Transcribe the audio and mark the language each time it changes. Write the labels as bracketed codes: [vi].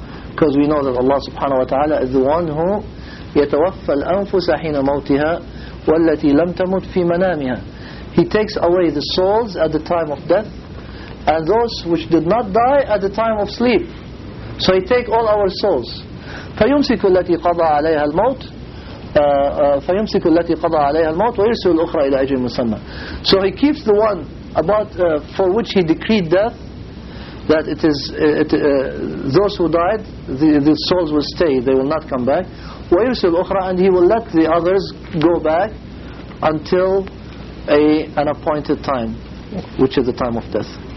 [en] Because we know that Allah subhanahu wa ta'ala is the one who [ar] يتوفى الأنفس حين موتها والتي لم تمت في منامها. [en] He takes away the souls at the time of death and those which did not die at the time of sleep. So he takes all our souls. [ar] فيمسك التي قضى عليها الموت فيمسك التي قضى عليها الموت ويرسل الأخرى إلى أجل مسمى. [en] So he keeps the one about for which he decreed death, that it is those who died, the souls will stay, they will not come back. [ar] وَيُرْسِلْ أُخْرَى, [en] and he will let the others go back until an appointed time, which is the time of death.